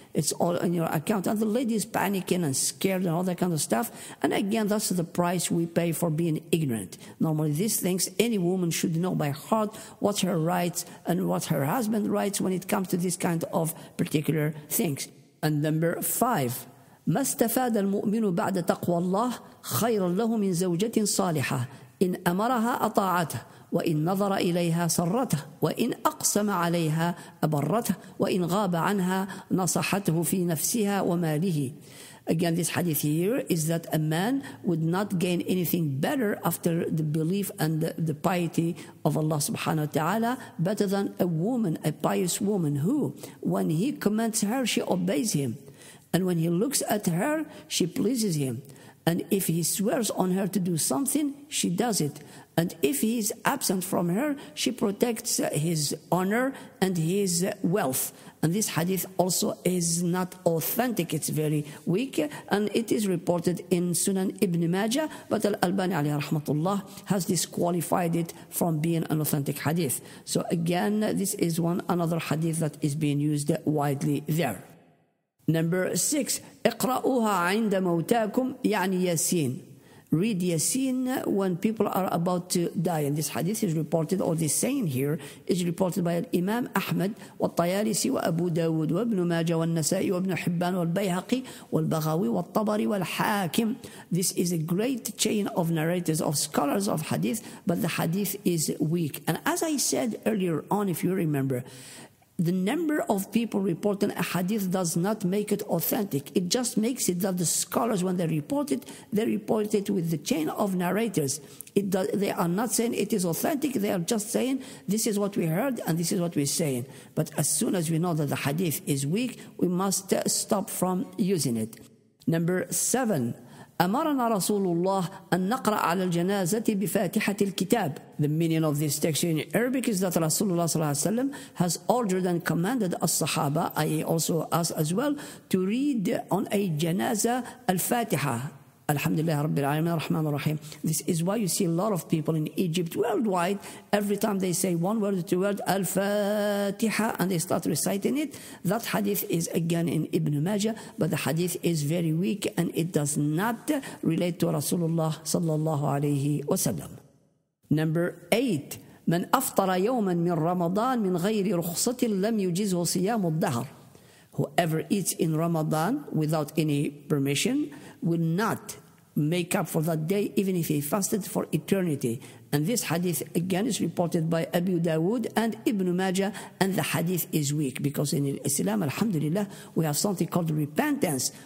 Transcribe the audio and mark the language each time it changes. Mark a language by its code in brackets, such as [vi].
[en] It's all in your account. And the lady is panicking and scared and all that kind of stuff. And again, that's the price we pay for being ignorant. Normally, these things, any woman should know by heart what her rights and what her husband rights when it comes to this kind of particular things. And number 5. [ar] ما استفاد المؤمن بعد تقوى الله خيرا له من زوجة صالحة إن أمرها أطاعته وإن نظر إليها سرته وإن أقسم عليها أبرته وإن غاب عنها نصحته في نفسها وماله. [en] Again, this hadith here is that a man would not gain anything better after the belief and the piety of Allah subhanahu wa ta'ala better than a woman, a pious woman, who when he commands her, she obeys him. And when he looks at her, she pleases him. And if he swears on her to do something, she does it. And if he is absent from her, she protects his honor and his wealth. And this hadith also is not authentic. It's very weak. And it is reported in Sunan Ibn Majah. But Al-Albani alayhi rahmatullah has disqualified it from being an authentic hadith. So again, this is another hadith that is being used widely there. Number 6. [ar] اقرأوها عند موتاكم يعني ياسين. [en] Read Yasin when people are about to die. And this hadith is reported, or this saying here is reported by Imam Ahmad, والطيارسي وأبو داود وابن ماجة والنسائي وابن حبان والبيهقي والبغاوي والطبري والحاكم. This is a great chain of narrators, of scholars of hadith, but the hadith is weak. And as I said earlier on, if you remember, The number of people reporting a hadith does not make it authentic. It just makes it that the scholars, when they report it with the chain of narrators. It does, they are not saying it is authentic. They are just saying, this is what we heard and this is what we're saying. But as soon as we know that the hadith is weak, we must stop from using it. Number 7. [ar] أمرنا رسول الله أن نقرأ على الجنازة بفاتحة الكتاب. [en] The meaning of this text in Arabic is that Rasulullah [ar] صلى الله عليه وسلم [en] has ordered and commanded الصحابة, i.e. also us as well, to read on a janaza الفاتحة. [ar] الحمد لله رب العالمين الرحمن الرحيم. [en] This is why you see a lot of people in Egypt worldwide, every time they say one word, two words, الفاتحة, and they start reciting it. That hadith is again in Ibn Majah, but the hadith is very weak and it does not relate to Rasulullah [ar] صلى الله عليه وسلم. [en] Number 8. [ar] من أفطر يوما من رمضان من غير رخصة لم يجزه صيام الدهر. [en] Whoever eats in Ramadan without any permission will not make up for that day, even if he fasted for eternity. And this hadith again is reported by Abu Dawood and Ibn Majah, and the hadith is weak, because in Islam, alhamdulillah, we have something called repentance.